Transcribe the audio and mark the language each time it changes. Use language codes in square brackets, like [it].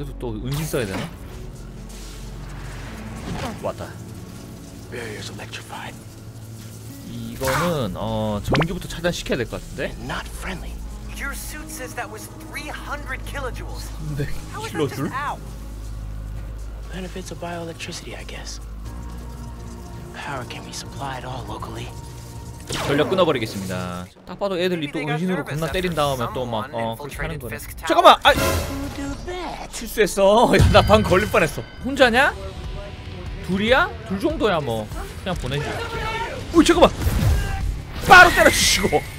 [ko] 이것도 또 은신 써야 되나? 왔다. [en] Barriers electrified. [ko] 이거는 어 전기부터 차단시켜야 될 것 같은데. [en] Not friendly. Your suit says that was 300 kilojoules. [ko] 근데 킬로줄? [en] Benefits of bioelectricity, I guess. Power can be supplied all locally. [ko] 전력 끊어버리겠습니다. 딱 봐도 애들이 또 은신으로 겁나 때린 다음에 또 막 어 그렇게 하는 거네. 잠깐만, 아 실수했어. 야, 나 방 걸릴 뻔했어. 혼자냐? 둘이야? 둘 정도야 뭐. 그냥 보내지. 오 잠깐만 바로 때려주시고.